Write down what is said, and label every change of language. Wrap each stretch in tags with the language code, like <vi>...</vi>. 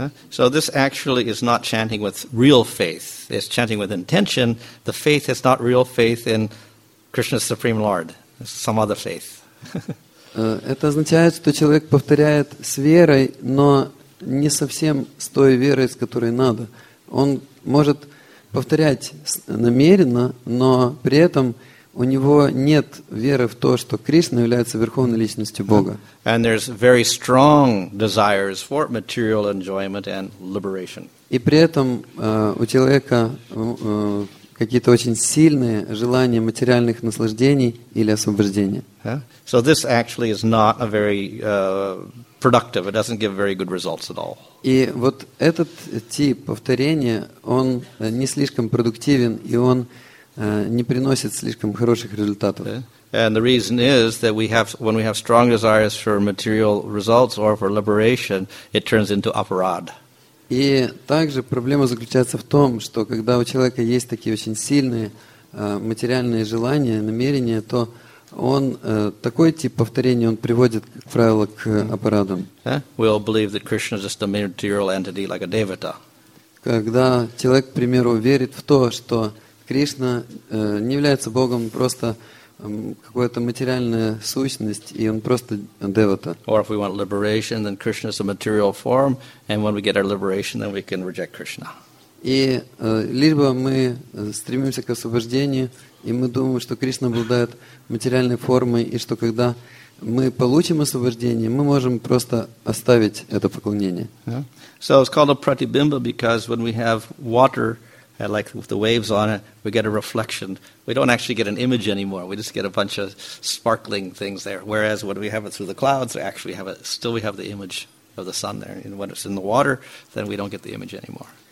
<en>So this actually is not chanting with real faith. It's chanting with intention. The faith is not real faith in Krishna's Supreme Lord. It's some other faith.</en> <ru>Это означает, что человек повторяет с верой, но не совсем с той верой, с которой надо. Он может повторять намеренно, но при этом у него нет веры в то, что Кришна является Верховной Личностью Бога.</ru> <en>And there's very strong desires for material enjoyment and liberation.</en> <ru>И при этом у человека какие-то очень сильные желания материальных наслаждений или освобождения.</ru> <en>So this actually is not a very productive. It doesn't give very good results at all.</en> <ru>И вот этот тип повторения, он не слишком продуктивен, и он не приносит слишком хороших результатов.</ru> <en>And the reason is that when we have strong desires for material results or for liberation, it turns into aparad.</en> <ru>И также проблема заключается в том, что когда у человека есть такие очень сильные материальные желания, намерения, то он такой тип повторения он приводит, как правило, к аппаратам.</ru> <en>We all believe that Krishna is just a material entity like a devata.</en> <ru>Когда человек, к примеру, верит в то, что Кришна не является Богом, просто какая-то материальная сущность, и он просто девата.</ru> <en>Or if we want liberation, then Krishna is a material form, and when we get our liberation, then we can reject Krishna.</en> <ru>И либо мы стремимся к освобождению, и мы думаем, что Кришна обладает материальной формой, и что когда мы получим освобождение, мы можем просто оставить это поклонение.</ru> <en>So it's called a pratibimba because when we have water, like with the waves on it, we get a reflection. We don't actually get an image anymore. We just get a bunch of sparkling things there. Whereas when we have it through the clouds, we have the image of the sun there. And when it's in the water, then we don't get the image anymore.</en>